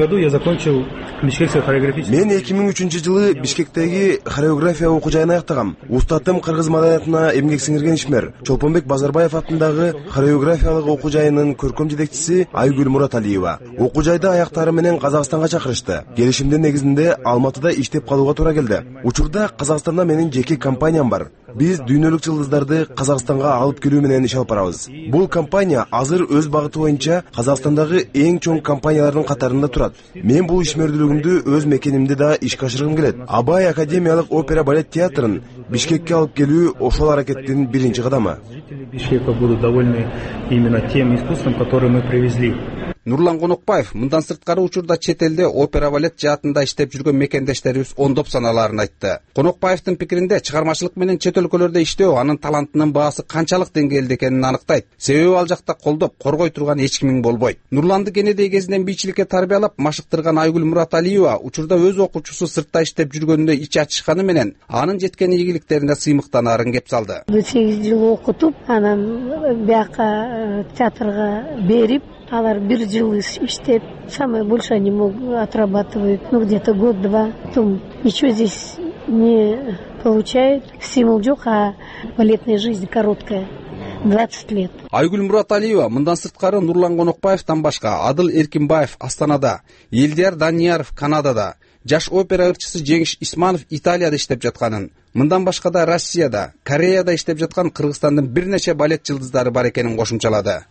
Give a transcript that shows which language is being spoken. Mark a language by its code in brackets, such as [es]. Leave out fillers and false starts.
[ky] Мен 2003-жылы Бишкектеги хореография окуу жайын аяктагам. Устатым кыргыз маданиятына эмгек сиңирген ишмер Чолпонбек Базарбаев атындагы хореографиялык окуу жайынын көркөм жетекчиси Айгүл Мураталиева. Окуу жайды аяктары менен Казакстанга чакырышты. Келишимдин негизинде Алматыда иштеп калууга туура келди. Учурда Казакстанда менин жеке компаниям бар. Биз дүйнөлүк жылдыздарды Казакстанга алып келүү менен иш алып барабыз. Бул компания азыр өз багыты боюнча Казакстандагы эң чоң компаниялардын катарында турат. Мен бул ишмердүүлүгүмдү өз мекенимде да ишке ашыргым келет. Абай академиялык опера балет театрын Бишкекке алып келүү ошол аракеттин биринчи кадамы. [ru] Бишкекке буду довольны именно тем искусством, которое мы привезли. [ky] Нурлан Конокбаев мындан сырткары учурда чет элде опера балет жаатында иштеп жүргөн мекендештерибиз ондоп санааларын айтты. Конокбаевдин пикиринде чыгармачылык менен чет өлкөлөрдө иштөө анын талантынын баасы канчалык деңгээлде экенин аныктайт. Себеби ал жакта колдоп, коргой турган эч ким болбойт. Нурланды кенедей кезинен бийчиликке тарбиялап машыктырган Айгүл Мураталиева учурда өз окуучусу сыртта иштеп жүргөндө ич ачышканы менен анын жеткен ийгиликтерине сыймыктанарын кеп салды. 8 жыл окутуп, анан бияка театрга берип алар бир жыл иштеп, [ru] самое больше они отрабатывают, ну где-то 1-2 года, потом ничего здесь не получают, [ky] стимул жок, [ru] а балетная жизнь короткая. 20 лет. [ky] Айгүл Мураталиева, мындан сырткары Нурлан Конокбаевтан башка Адыл Эркинбаев Астанада, Элдияр Данияров Канадада, жаш опера ырчысы Жеңиш Исманов Италияда иштеп жатканын, мындан башка да Россияда, Кореяда иштеп жаткан Кыргызстандын бир нече балет жылдыздары бар экенин кошумчалады.